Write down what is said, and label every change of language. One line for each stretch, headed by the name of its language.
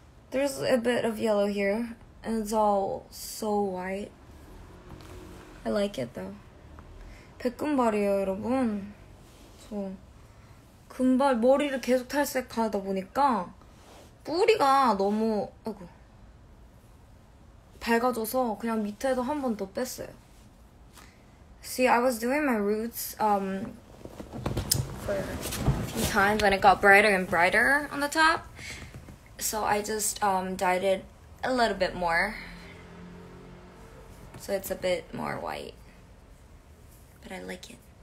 English: There's a bit of yellow here, and it's all so white. I like it though.
Korean: 백금발이에요, 여러분. 저 금발 머리를 계속 탈색하다 보니까 뿌리가 너무 아이고 밝아져서 그냥 밑에도 한 번 더 뺐어요.
English: See, I was doing my roots for a few times, and it got brighter and brighter on the top. So I just dyed it a little bit more. So it's a bit more white. But I like it.